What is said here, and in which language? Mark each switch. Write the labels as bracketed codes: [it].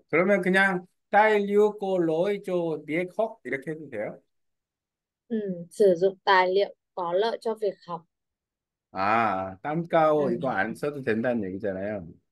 [ko] 그러면 그냥 딸류 고 로이 조 비에 콕 이렇게 해주세요. [vi] sử dụng tài liệu có lợi cho việc học. [ko] 아, 땀가오 이거 안 써도 된다는 얘기잖아요.